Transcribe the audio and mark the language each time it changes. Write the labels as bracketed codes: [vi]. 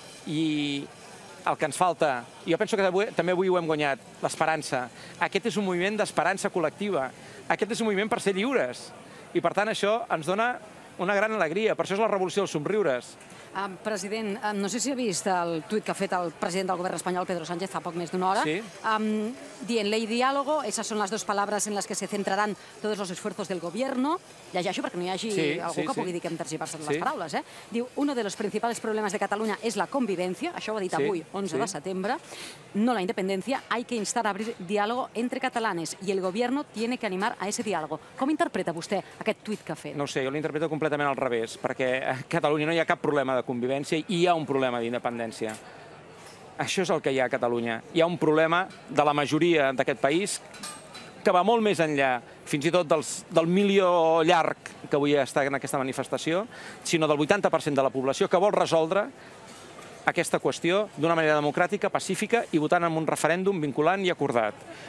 [ca] I el que ens falta, i jo penso que també avui ho hem guanyat, l'esperança. Aquest és un moviment d'esperança col·lectiva. Aquest és un moviment per ser lliures. I per tant, això ens dona una gran alegria. Per això és la revolució dels somriures. President, no sé si ha vist el tuit que ha fet el president del govern espanyol, Pedro Sánchez, fa poc més d'una hora, sí. Dient [es] ley diálogo, esas son las dos palabras en las que se centrarán todos los esfuerzos del gobierno. [ca] Llegeixo perquè no hi hagi algú que pugui dir que hem tergiversat les paraules. [es] Diu, uno de los principales problemas de Cataluña es la convivencia, [ca] això ho ha dit avui, 11 de setembre, [es] no la independencia, hay que instar a abrir diálogo entre catalanes y el gobierno tiene que animar a ese diálogo. [ca] Com interpreta vostè aquest tuit que ha fet? No sé, jo l'interpreto completament al revés, perquè a Catalunya no hi ha cap problema de convivència i hi ha un problema d'independència. Això és el que hi ha a Catalunya. Hi ha un problema de la majoria d'aquest país que va molt més enllà, fins i tot del milió llarg que avui està en aquesta manifestació, sinó del 80% de la població que vol resoldre aquesta qüestió d'una manera democràtica, pacífica i votant en un referèndum vinculant i acordat.